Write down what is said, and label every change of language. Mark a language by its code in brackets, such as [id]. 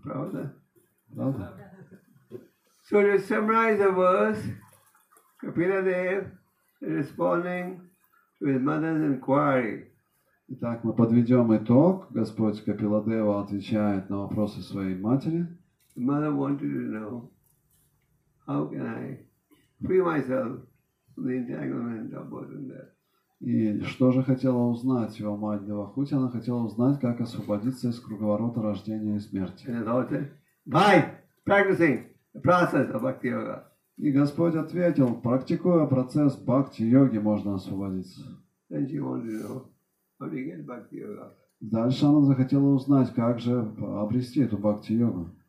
[ru] Правда? Правда? [en] So to summarize the verse, Kapiladev responding to his mother's inquiry. [ru] Итак, мы подведем итог. Господь Капиладева отвечает на вопросы своей матери. [en] The mother wanted to know, how can I free myself from the entanglement of birth and death? [ru] И что же хотела узнать его мать Девахути? Она хотела узнать, как освободиться из круговорота рождения и смерти. [en] By practicing the process of bhakti yoga. [ru] И Господь ответил, практикуя процесс бхакти-йоги, можно освободиться. [en] Then she wanted to know how to get bhakti yoga. [ru] Дальше она захотела узнать, как же обрести эту бхакти-йогу.